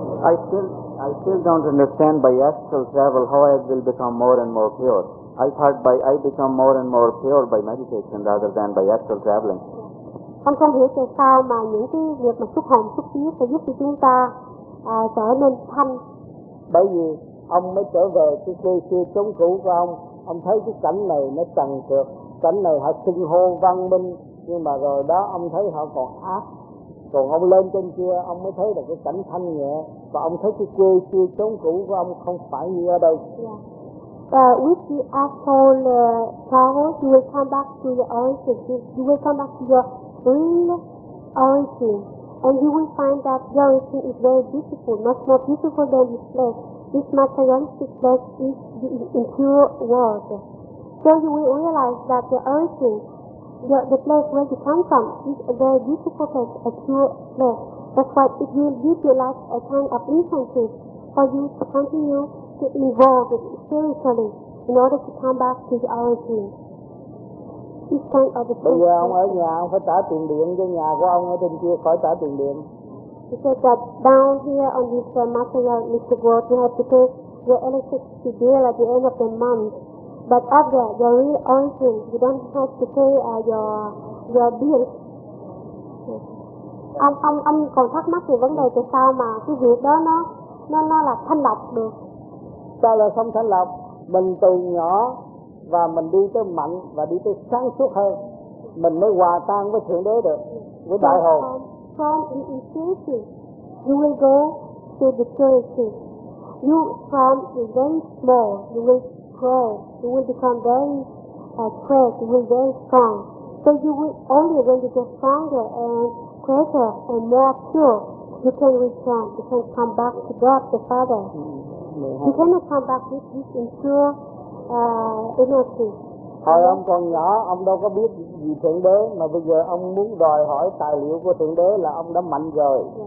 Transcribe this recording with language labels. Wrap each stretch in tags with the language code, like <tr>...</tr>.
<en>I still don't understand by astral travel how I will become more and more pure. I thought by I become more and more pure by meditation rather than by astral traveling.</en> <vi>Không không hiểu tại sao mà những cái việc mà xuất hành xuất tiến sẽ giúp cho chúng ta trở nên thanh. Bởi vì ông mới trở về cái quê xưa chống cũ của ông. Ông thấy cái cảnh này nó trần trượt, cảnh này họ xưng hô văn minh, nhưng mà rồi đó ông thấy họ còn ác. Còn ông lên trên kia, ông mới thấy được cái cảnh thanh nhẹ. Và ông thấy cái quê xưa chống cũ của ông không phải như ở đâu.</vi> <en>With the astral travel, you will come back to your origin. You will come back to your real origin. And you will find that your origin is very beautiful, much more beautiful than this place. This materialistic place is the impure world. So you will realize that your origin, the place where you come from, is a very beautiful place, a pure place. That's why it will give your life a kind of incentive for you to continue to evolve spiritually in order to come back to the origin. This kind of a thing.</en> <vi>Bây giờ ông ở nhà, ông phải trả tiền điện cho nhà của ông ở trên kia, phải trả tiền điện.</vi> <en>He said that down here on this materialistic world, you have to pay your electricity bill at the end of the month. But up there, your real origin, you don't have to pay your bill.</en> <vi>Ông còn thắc mắc về vấn đề tại sao mà cái việc đó nó là thanh lọc được. Sao là không thanh lọc? Mình từ nhỏ và mình đi tới mạnh và đi tới sáng suốt hơn, mình mới hòa tan với Thượng Đế được, với Đại Hồn.</vi> <en>From the infancy, you will go to the purity. You from the very small, you will grow, you will become very great, you will be very strong. So you will only when you get stronger and greater and more pure, you can return, you can come back to God the Father. Mm-hmm. You cannot come back with this impure energy.</en> <vi>Hồi ông còn nhỏ, ông đâu có biết gì Thượng Đế, mà bây giờ ông muốn đòi hỏi tài liệu của Thượng Đế là ông đã mạnh rồi.</vi>